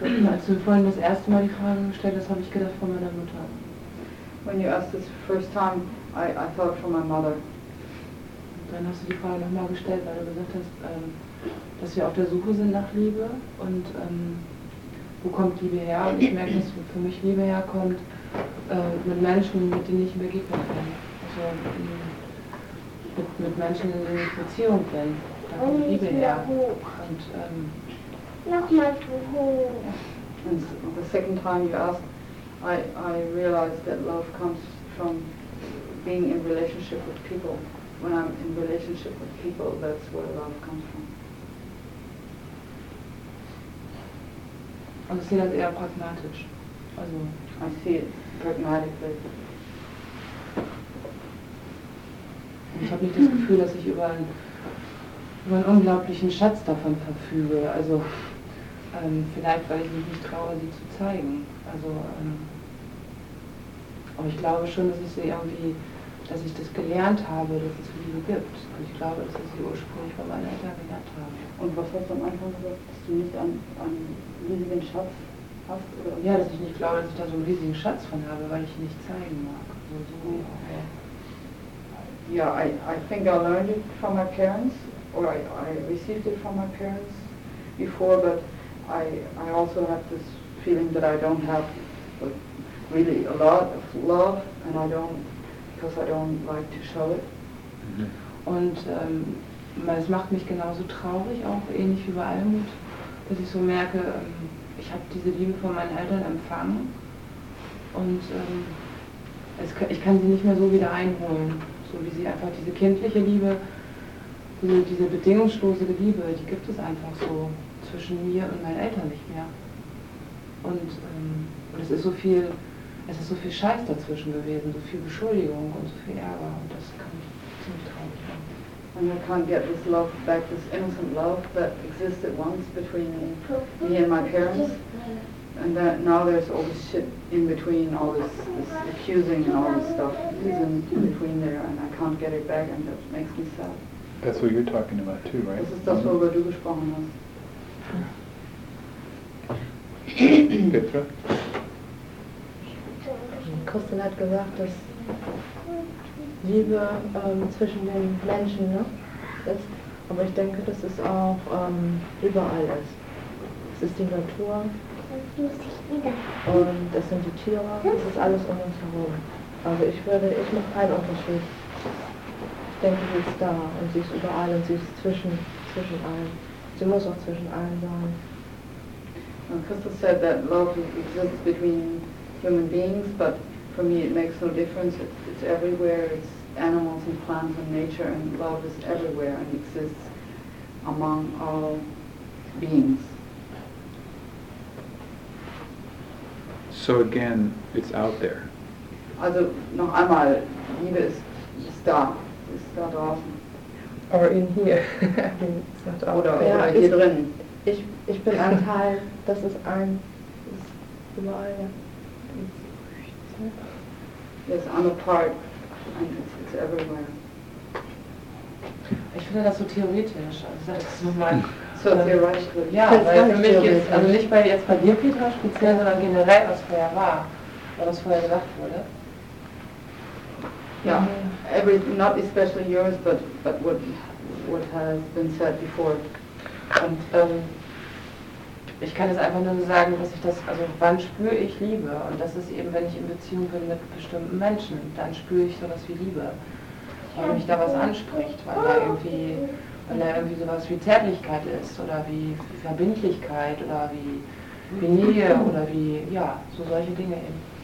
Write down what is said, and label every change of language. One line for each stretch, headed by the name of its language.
German: Als du vorhin das erste Mal die Frage gestellt hast, habe ich gedacht von meiner Mutter.
English: When you asked this first time, I thought from my mother.
German: Und dann hast du die Frage nochmal gestellt, weil du gesagt hast, dass wir auf der Suche sind nach Liebe und wo kommt Liebe her? Und ich merke, dass für mich Liebe herkommt mit Menschen, mit denen ich begegnen kann. Also mit Menschen, in denen ich Beziehung bin. Da kommt Liebe her. Und,
English: and the second time you asked, I realized that love comes from being in relationship with people. When I'm in relationship with people, that's where love comes from.
German: Also see that eher pragmatisch. Also
English: I see it pragmatically.
German: Ich habe nicht das Gefühl, dass ich über einen unglaublichen Schatz davon verfüge. Also vielleicht, weil ich mich nicht traue, sie zu zeigen. Also, aber ich glaube schon, dass ich sie irgendwie, dass ich das gelernt habe, dass es Liebe gibt. Und ich glaube, dass ich sie ursprünglich von meinen Eltern gelernt habe. Und was hast du am Anfang gesagt, dass du nicht an riesigen Schatz hast? Oder? Ja, dass ich nicht glaube, dass ich da so einen riesigen Schatz von habe, weil ich ihn nicht zeigen mag. Also,
English: I think I learned it from my parents, or I received it from my parents before, but I also have this feeling that I don't have like, really a lot of love, and I don't, because I don't like to show it. Mm-hmm.
German: Und es macht mich genauso traurig, auch ähnlich wie bei Almut, dass ich so merke, ich habe diese Liebe von meinen Eltern empfangen und ich kann sie nicht mehr so wieder einholen, so wie sie einfach diese kindliche Liebe, diese bedingungslose Liebe, die gibt es einfach so zwischen mir und meinen Eltern nicht mehr. Und es ist so viel Scheiß dazwischen gewesen, so viel Beschuldigung und so viel Ärger, und das kann mich ziemlich traurig machen.
English: And I can't get this love back, this innocent love that existed once between me and my parents. And that now there's all this shit in between, all this accusing and all this stuff is in between there, and I can't get it back, and that makes me sad. That's what you're talking about too, right?
German: Das ist das, worüber du gesprochen hast. Petra? Kristin hat gesagt, dass Liebe zwischen den Menschen, ne, ist. Aber ich denke, dass es auch überall ist. Es ist die Natur und das sind die Tiere, das ist alles um uns herum. Also ich mache keinen Unterschied. Ich denke, sie ist da und sie ist überall und sie ist zwischen allen. Sie muss auch zwischen allen sein.
English: Well, Crystal said that love exists between human beings, but for me it makes no difference. It's everywhere. It's animals and plants and nature, and love is everywhere and exists among all beings. So again, it's out there.
German: Also noch einmal, Liebe ist da. Ist da draußen.
English: Or in here.
German: Oder hier drin. Ich bin ein Teil. Das ist ein. Das ist überall.
English: Yes, I'm a part. It's everywhere.
German: Ich finde das so theoretisch. Also das ist nochmal so theoretisch. Ja, das weil für mich jetzt, also nicht bei jetzt bei dir, Petra, speziell, sondern generell, was vorher war, was vorher gesagt wurde. Ja, yeah.
English: Every not especially yours, but what has been said before.
German: Und ich kann es einfach nur sagen, dass ich das, also wann spüre ich Liebe? Und das ist eben, wenn ich in Beziehung bin mit bestimmten Menschen, dann spüre ich sowas wie Liebe. Weil mich da was anspricht, weil da irgendwie sowas wie Zärtlichkeit ist oder wie Verbindlichkeit oder wie Nähe oder wie, ja, so solche Dinge eben.